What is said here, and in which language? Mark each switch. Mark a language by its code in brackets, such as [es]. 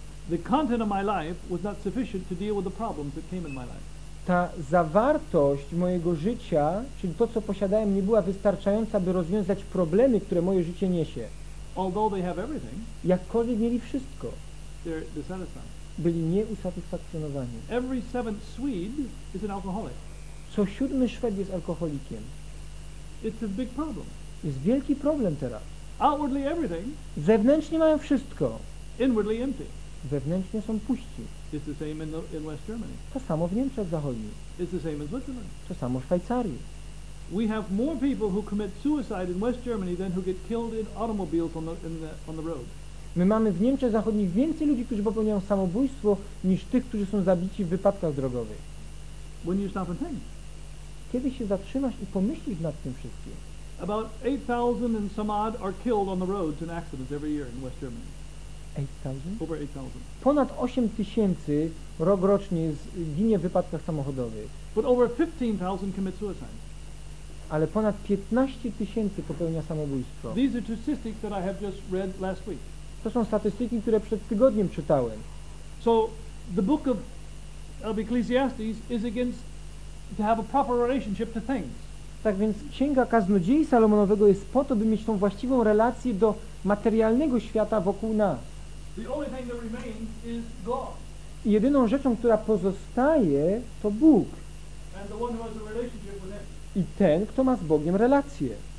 [en] The content of my life was not sufficient to deal with the problems that came in my life. [pl] Ta zawartość mojego życia, czyli to, co posiadałem, nie była wystarczająca, by rozwiązać problemy, które moje życie niesie. [en] Although they have everything, [pl] jakkolwiek mieli wszystko, [en] they're dissatisfied. [pl] Byli nieusatysfakcjonowani. [en] Every seventh Swede is an alcoholic. [pl] Co siódmy Szwed jest alkoholikiem. [en] It's a big problem. [pl] Jest wielki problem teraz. [en] Outwardly everything. [pl] Zewnętrznie mają wszystko. [en] Inwardly empty. [pl] Wewnętrznie są puści. [en] It's the same in West Germany. [pl] To samo w Niemczech Zachodnich. [en] It's the same in Switzerland. [pl] To samo w Szwajcarii. [en] We have more people who commit suicide in West Germany than who get killed in automobiles on the road. [pl] My mamy w Niemczech Zachodnich więcej ludzi, którzy popełniają samobójstwo, niż tych, którzy są zabici w wypadkach drogowych. [en] When you stop and think. [pl] Kiedy się zatrzymasz i pomyślisz nad tym wszystkim? [en] About 8,000 and some odd are killed on the roads in accidents every year in West Germany. 8,000? Over 8,000. [pl] Ponad 8,000 rok rocznie ginie w wypadkach samochodowych. [en] But over 15,000 commit suicide. [pl] Ale ponad 15,000 popełnia samobójstwo. [en] These are statistics that I have just read last week. [pl] To są statystyki, które przed tygodniem czytałem. [en] So the book of Ecclesiastes is against to have a proper relationship to things. [pl] Tak więc Księga Kaznodziei Salomonowego jest po to, by mieć tą właściwą relację do materialnego świata wokół nas. [en] The only thing that remains is God. [pl] I jedyną rzeczą, która pozostaje, to Bóg. [en] And the one who has a relationship with him. [pl] I ten, kto ma z Bogiem relację.